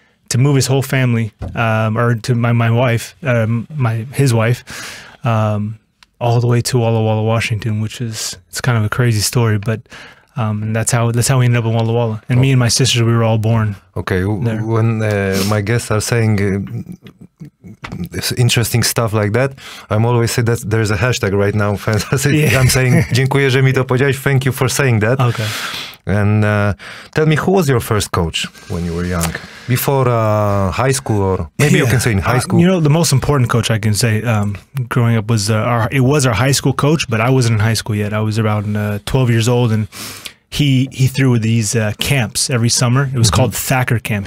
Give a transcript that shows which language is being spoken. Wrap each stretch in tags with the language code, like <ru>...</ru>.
<en>to move his whole family, or to my wife, his wife, all the way to Walla Walla, Washington, which is, it's kind of a crazy story, but that's how we ended up in Walla Walla. And me and my sisters, we were all born. Okay, there. When my guests are saying interesting stuff like that, I'm always say that there's a hashtag right now. I'm saying,</en> <pl>dziękuję, że mi to powiedziałeś.</pl> <en>Thank you for saying that. Okay. And tell me, who was your first coach when you were young? Before high school, or maybe you can say in high school. You know, the most important coach I can say growing up was our high school coach, but I wasn't in high school yet. I was around 12 years old, and he threw these camps every summer. It was mm-hmm. called Thacker Camp.</en>